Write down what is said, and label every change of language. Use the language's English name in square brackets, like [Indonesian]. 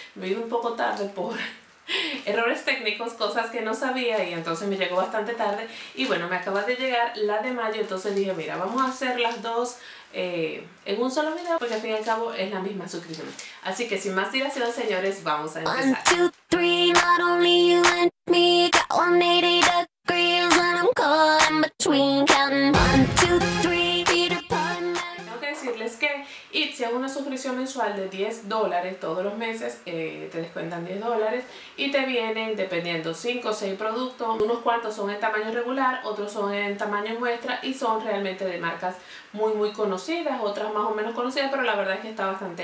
[Spanish] Me vino un poco tarde por errores técnicos, cosas que no sabía, y entonces me llegó bastante tarde. Y bueno, me acaba de llegar la de mayo, entonces dije, mira, vamos a hacer las dos en un solo video, porque al fin y al cabo es la misma suscripción. Así que sin más dilación, señores, vamos a empezar. [English] 1, 2, 3, not only you and me, got 180 degrees and I'm caught in between, counting 1, 2, 3, feet apart. [Spanish] Tengo que decirles que Ipsy es una suscripción mensual de $10 todos los meses, te descuentan $10 y te vienen, dependiendo, 5 o 6 productos. Unos cuantos son en tamaño regular, otros son en tamaño muestra y son realmente de marcas muy muy conocidas, otras más o menos conocidas, pero la verdad es que está bastante.